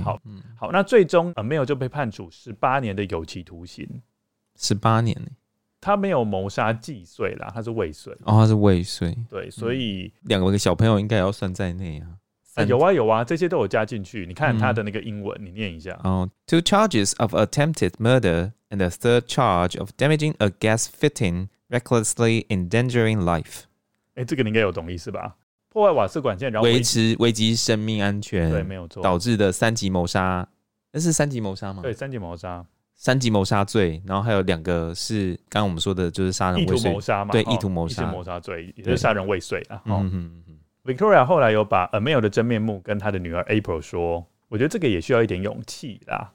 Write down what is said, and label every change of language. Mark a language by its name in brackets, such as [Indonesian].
[Chinese] 好、嗯、好，那最终没有就被判处18年的有期徒刑。 18年，他没有谋杀既遂啦，他是未遂。哦，他是未遂。对，所以两、个小朋友应该要算在内啊。有啊有啊，这些都有加进去。你看他的那个英文、嗯、你念一下。 [English] 哦、Two charges of attempted murder and a third charge of damaging a gas fitting recklessly endangering life。 [Chinese] 欸、这个你应该有懂意思吧，破坏瓦斯管线然后危及生命安全，对，没有错，导致的三级谋杀，那是三级谋杀吗？对，三级谋杀，三级谋杀罪，然后还有两个是刚刚我们说的就是杀人未遂，意图谋杀嘛，对，意图谋杀、哦、意图谋杀罪，也就是杀人未遂、啊哦、Victoria 后来有把 Amel 的真面目跟他的女儿 April 说，我觉得这个也需要一点勇气啦。